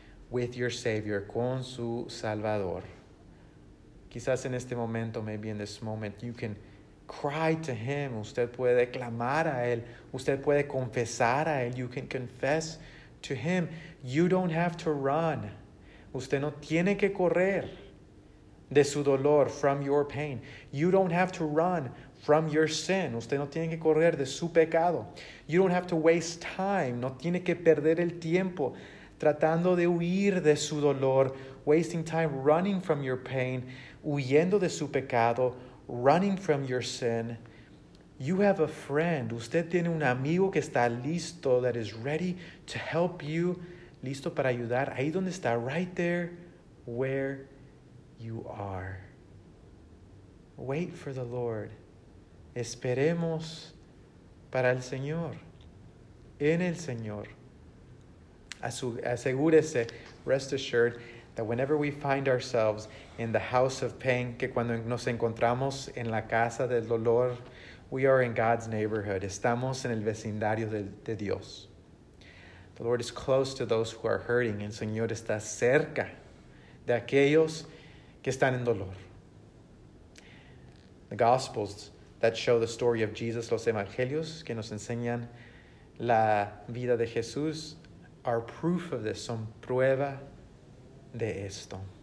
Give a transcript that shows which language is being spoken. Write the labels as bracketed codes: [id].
[en] with your Savior, [es] con su Salvador. Quizás en este momento, [en] maybe in this moment, you can cry to Him. [es] Usted puede clamar a Él. Usted puede confesar a Él. [en] You can confess to Him. You don't have to run. [es] Usted no tiene que correr de su dolor, [en] from your pain. You don't have to run from your sin. [es] Usted no tiene que correr de su pecado. [en] You don't have to waste time. [es] No tiene que perder el tiempo tratando de huir de su dolor, [en] wasting time running from your pain, [es] huyendo de su pecado, [en] running from your sin. You have a friend. [es] Usted tiene un amigo que está listo, [en] that is ready to help you, [es] listo para ayudar. Ahí donde está, [en] right there where you are. Wait for the Lord. [es] Esperemos para el Señor, en el Señor. Asegúrese, [en] rest assured, that whenever we find ourselves in the house of pain, [es] que cuando nos encontramos en la casa del dolor, [en] we are in God's neighborhood. [es] Estamos en el vecindario de Dios. [en] The Lord is close to those who are hurting. [es] El Señor está cerca de aquellos que están en dolor. [en] The Gospels that show the story of Jesus, [es] los Evangelios que nos enseñan la vida de Jesús, [en] are proof of this, [es] son prueba de esto.